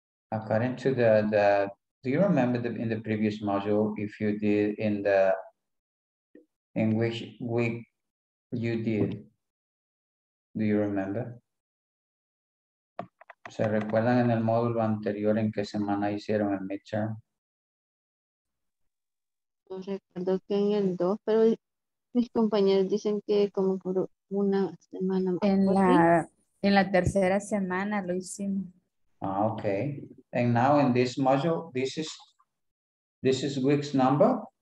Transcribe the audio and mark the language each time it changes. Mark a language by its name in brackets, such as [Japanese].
[English] According to the, do you remember the, in the previous module, if you did in the, in which week you did? Do you remember? [Spanish] ¿Se recuerdan en el módulo anterior en qué semana hicieron el midterm? No recuerdo que en el 2, pero mis compañeros dicen que como por una semana más. En la tercera semana lo hicimos. [English] Ah, okay. And now in this module, this is week's number.